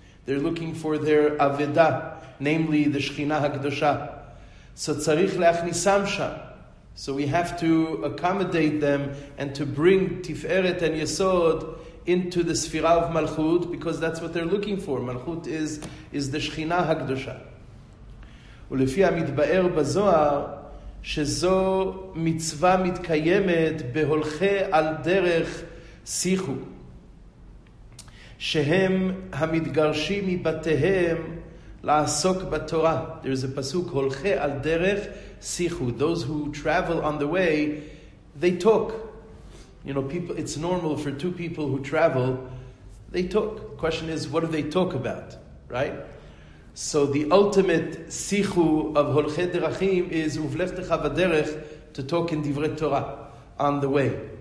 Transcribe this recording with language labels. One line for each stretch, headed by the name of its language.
English: They're looking for their aveda, namely the Shekhinah HaKadosha. So
Hebrew: tzarich leachnisam sham.
English: So we have to accommodate them and to bring tiferet and yesod into the sfira of malchut, because that's what they're looking for. Malchut is the Shekhinah HaKadosha.
Hebrew: Ulefi amitba'er bazohar, שזו מצווה מתקיימת בהולכי על דרך שיחו, שהם המתגרשים מבתיהם לעסוק בתורה.
English: There is a pasuk,
Hebrew: הולכי על דרך שיחו.
English: Those who travel on the way, they talk. You know, people, it's normal for two people who travel, they talk. Question is, what do they talk about, right? So the ultimate sichu of holchei derachim is
Hebrew: uvlechtecha v'derech,
English: to talk in divrei Torah on the way.